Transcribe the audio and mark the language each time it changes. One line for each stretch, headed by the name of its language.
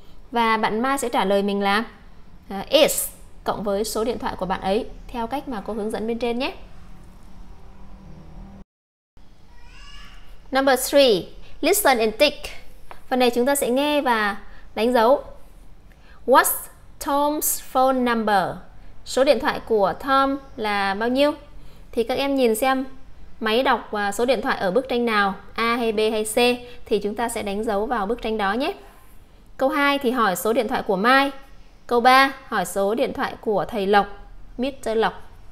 Vietnamese: Và bạn Mai sẽ trả lời mình là is cộng với số điện thoại của bạn ấy theo cách mà cô hướng dẫn bên trên nhé.
English: Number 3, listen and tick.
Vietnamese: Phần này chúng ta sẽ nghe và đánh dấu.
English: What's Tom's phone number?
Vietnamese: Số điện thoại của Tom là bao nhiêu? Thì các em nhìn xem máy đọc số điện thoại ở bức tranh nào, A hay B hay C, thì chúng ta sẽ đánh dấu vào bức tranh đó nhé. Câu 2 thì hỏi số điện thoại của Mai. Câu 3 hỏi số điện thoại của thầy Lộc, Mr. Lộc.